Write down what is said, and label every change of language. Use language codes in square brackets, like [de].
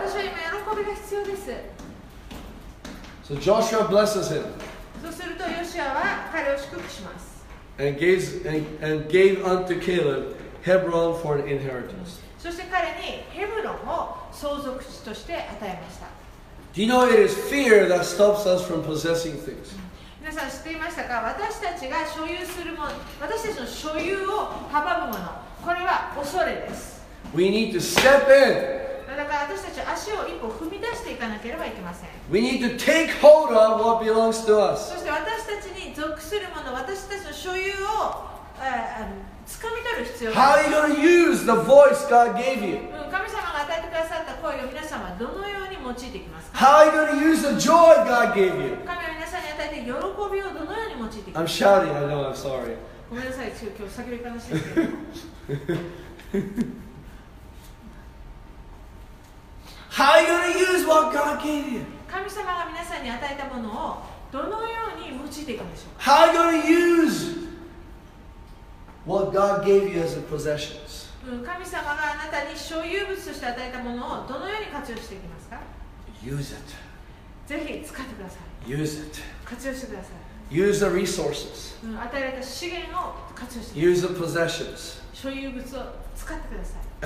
[ja] 私は今喜びが必要です。 [en] So Joshua blesses him。 [ja] そうするとヨシュアは彼を祝福します。 [en] And gave unto CalebHebron for an inheritance. [ja] そして彼にヘブロンを相続地として与えました。 [en] Do you know it is fear that stops us from possessing things? [ja] 皆さん知っていましたか？私たちが所有するもの、私たちの所有を阻むもの、これは恐れです。 [en] We need to step in. [ja] だから私たち足を一歩踏み出していかなければいけません。 [en] We need to take hold of what belongs to us. [ja] そして私たちに属するもの、私たちの所有を、掴み取る必要がある。 [en] How are you going to use the voice God gave you? [ja] 神様が与えてくださった声を皆様はどのように用いていきますか？ [en] How are you going to use the joy God gave you? [ja] 神は皆さんに与えて喜びをどのように用いていきますか？ [en] I'm shouting, I know, I'm sorry. [ja] ごめんなさい、今日叫びっぱなしですけど。 [en] How are you going to use what God gave you? [ja] 神様が皆さんに与えたものをどのように用いていくんでしょうか？ [en] How are you going to useWhat God gave you as a possessions. [ja] 神様があなたに所有物として与えたものをどのように活用していきますか？ [en] Use it. [ja] ぜひ使ってください。 [en] Use it. [ja] 活用してください。 [en] Use the resources. [ja] 与えられた資源を活用して。 [en] Use the possessions. [ja] 所有物を使ってください。